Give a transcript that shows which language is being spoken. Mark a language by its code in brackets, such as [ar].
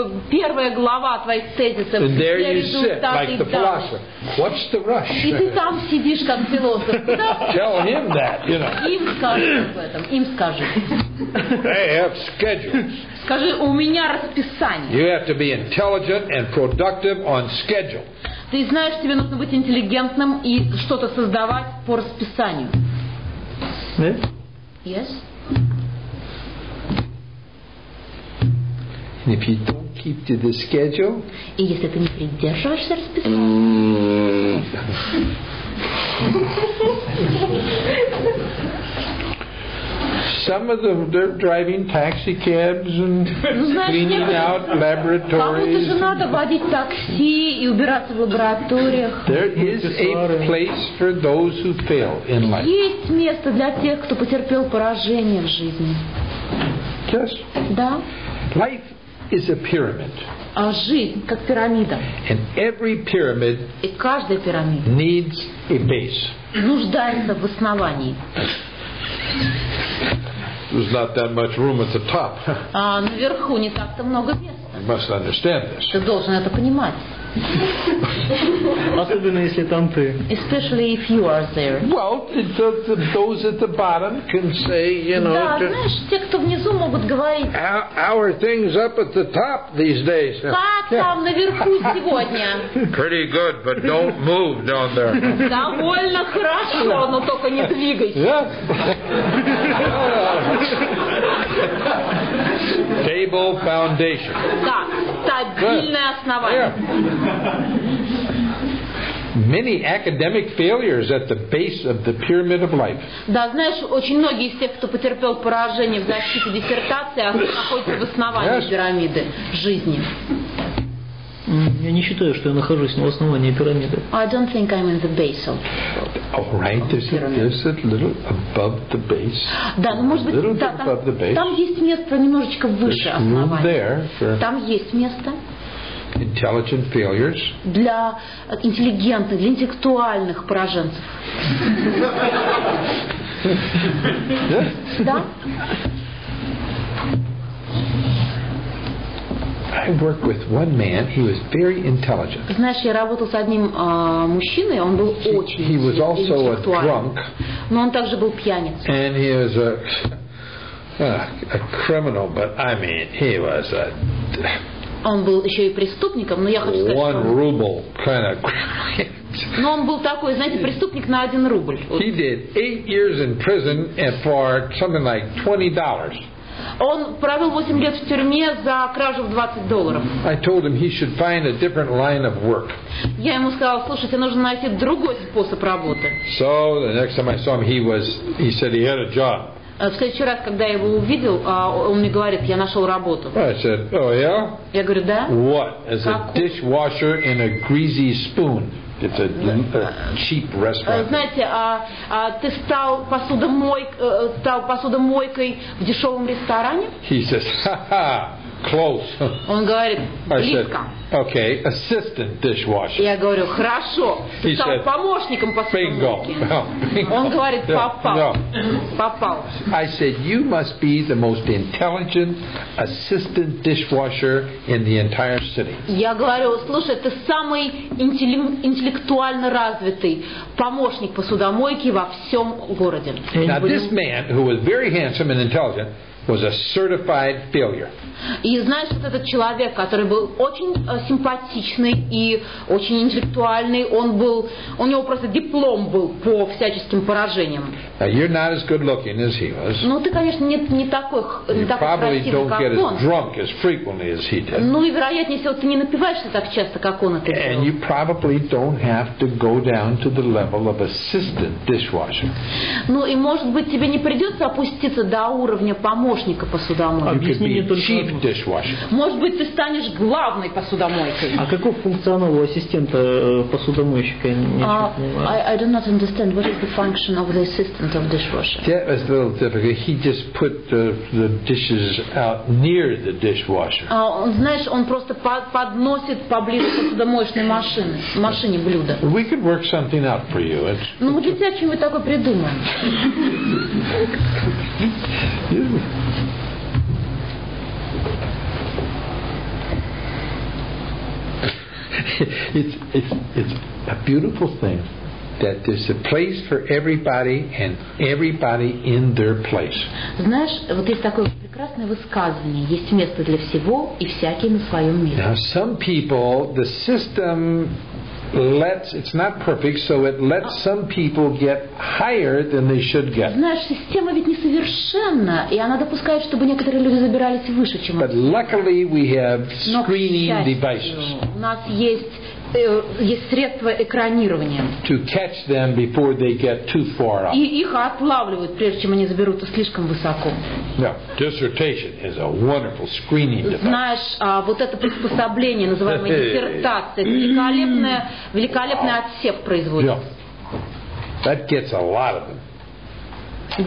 [ru] первая глава твоих тезисов. [en] And there you sit, like the philosopher. What's the rush? [ru] И ты там сидишь, как философ. [en] Tell him that, you know. [ru] Им скажи об этом. Им скажи. [en] They have schedules. [ru] Скажи, у меня расписание. [en] You have to be intelligent and productive on schedule. [ru] Ты знаешь, тебе нужно быть интеллигентным и что-то создавать по расписанию. [en] Yes? If you don't keep to the schedule, [ru] и если ты не придерживаешься расписания, [en] some of them they're driving taxi cabs and cleaning out laboratories. [ru] Кому-то же надо водить такси и убираться в лабораториях. [en] There is a place for those who fail in life. [ru] Есть место для тех, кто потерпел поражение в жизни. [en] Yes. [ru] Да. [en] Life is a pyramid. [ru] А жизнь как пирамида. [en] And every pyramid [ru] и каждая пирамида [en] needs a base. [ru] Нуждается в основании. [en] There's not that much room at the top. [ru] Наверху не так-то много места. [en] You must understand this. [ru] Ты должен это понимать. Особенно если там ты. [en] Especially if you are there. Well, those at the bottom can say, you know. [ru] Да, знаешь, те, кто внизу, могут говорить. [en] How are things up at the top these days? [ru] Как там наверху сегодня? [en] Pretty good, but don't move down there. [ru] Довольно хорошо, но только не двигайся. [en] Yeah. Stable foundation. [ru] Да, стабильное основание. [en] Many academic failures at the base of the pyramid of life. [ru] Да, знаешь, очень многие из тех, кто потерпел поражение в защите диссертации, находятся в основании пирамиды жизни. Я не считаю, что я нахожусь на основании пирамиды. [en] I don't think I'm in the base of. All right, there's a little above the base. [ru] Да, ну может быть, там есть место немножечко выше основания. Там есть место. [en] Intelligent failures. [ru] Для интеллигентных, для интеллектуальных пораженцев. Да? [en] I worked with one man. He was very intelligent. [ru] Знаешь, я работал с одним мужчиной. Он был очень интеллектуальный. [en] He was also a drunk. [ru] Но он также был пьяницей. [en] And he was a criminal, but I mean, he was a. [ru] Он был еще и преступником, но я хочу сказать, [en] one [ru] что он... [en] Ruble kind of... [ru] Но он был такой, знаете, преступник на один рубль. [en] He did 8 years in prison for something like $20. [ru] Он провел 8 лет в тюрьме за кражу в $20. [en] I told him he should find a different line of work. [ru] Я ему сказала, слушай, тебе нужно найти другой способ работы. [en] So the next time I saw him, he said he had a job. [ru] В следующий раз, когда я его увидел, он мне говорит, я нашел работу. [en] I said, oh, yeah? [ru] Я говорю, да? [en] What? As a dishwasher in a greasy spoon. It's a cheap restaurant. [ru] Знаете, ты стал посудомойкой в дешевом ресторане? [en] He says, ha-ha, close. [ru] Он говорит, близко. [en] I said, okay, assistant dishwasher. [ru] Я говорю, хорошо, ты стал помощником посудомойки. [en] Bingo. [ru] Он говорит, попал. [en] No. [ru] Попал. [en] I said, you must be the most intelligent assistant dishwasher in the entire city. [ru] Я говорю, слушай, ты самый интеллектуально развитый помощник посудомойки во всем городе. [en] Now this man, who was very handsome and intelligent, was a certified failure. [ru] И знаешь, вот этот человек, который был очень симпатичный и очень интеллектуальный, он был, у него просто диплом был по всяческим поражениям. [en] Now you're not as good looking as he was. [ru] Ну, ты, конечно, не такой, не такой красивый, как он. [en] You probably don't get as drunk as frequently as he did. [ru] Ну, и вероятнее всего, ты не напиваешься так часто, как он это делал. [en] And you probably don't have to go down to the level of assistant dishwasher. [ru] Ну, и может быть, тебе не придется опуститься до уровня помощника посудомойки. Может быть, ты станешь главной посудомойкой. А каков функционал у ассистента посудомойщика? [en] I do not understand. What is the function of the assistant of dishwasher? That was a little difficult. He just put the dishes out near the dishwasher. [ru] Знаешь, он просто подносит поближе к посудомоечной машине блюда. [en] We could work something out for you. [ru] Ну, мы для тебя что-нибудь такое придумаем. [en] It's a beautiful thing that there's a place for everybody and everybody in their place. [ru] Знаешь, вот есть такое прекрасное высказывание: есть место для всего и всякий на своем месте. [en] Now some people, the system lets, it's not perfect, so it lets some people get higher than they should get. [ru] Знаешь, система ведь несовершенна, и она допускает, чтобы некоторые люди забирались выше, чем. [en] But luckily we have screening devices. [ru] У нас есть средства экранирования. [en] To catch them before they get too far up. [ru] И их отлавливают, прежде чем они заберутся слишком высоко. [en] Now, dissertation is a wonderful screening device. [ru] Знаешь, вот это приспособление, называемое диссертация, великолепный отсек производит. [en] Yeah. That gets a lot of them.